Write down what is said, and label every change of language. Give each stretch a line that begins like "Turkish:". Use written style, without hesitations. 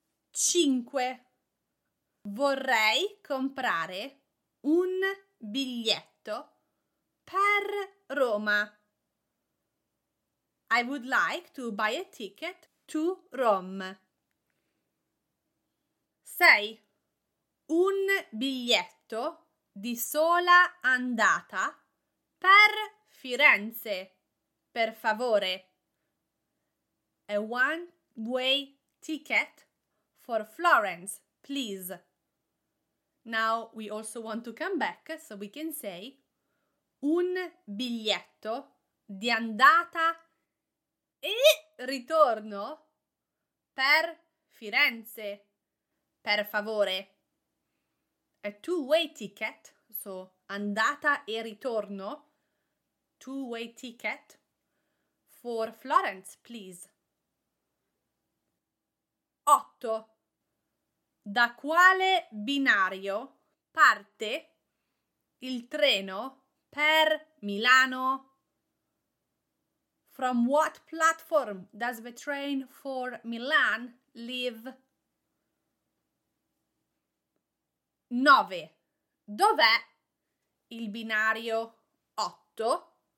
Italian: 5. Vorrei comprare un biglietto per Roma.
English: I would like to buy a ticket to Rome. 6.
Italian: Un biglietto di sola andata per Firenze, per favore.
English: A one-way ticket for Florence, please. Now we also want to come back, so we can say
Italian: un biglietto di andata e ritorno per Firenze, per favore.
English: A two-way ticket, so
Italian: andata e ritorno,
English: two-way ticket for Florence, please. 8.
Italian: Da quale binario parte il treno per Milano?
English: From what platform does the train for Milan leave?
Italian: 9. Dov'è il binario 8?